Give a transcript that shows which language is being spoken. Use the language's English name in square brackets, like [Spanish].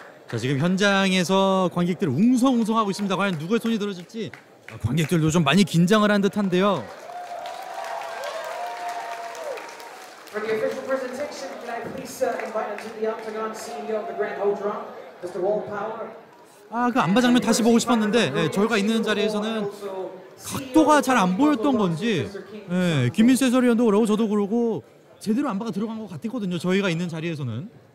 [Korean] 자, 지금 현장에서 관객들 웅성웅성하고 있습니다. 과연 누구의 손이 들어질지 관객들도 좀 많이 긴장을 한 듯한데요. [English] For the official presentation, can I please invite to the Octagon CEO of the Grand Odeon, Mr. Walt Power. [Korean] 아, 그 안마 장면 다시 보고 싶었는데 네, 저희가 있는 자리에서는 각도가 잘 안 보였던 건지 네, 김민수 해설위원도 그러고 저도 그러고 제대로 안마가 들어간 것 같았거든요. 저희가 있는 자리에서는.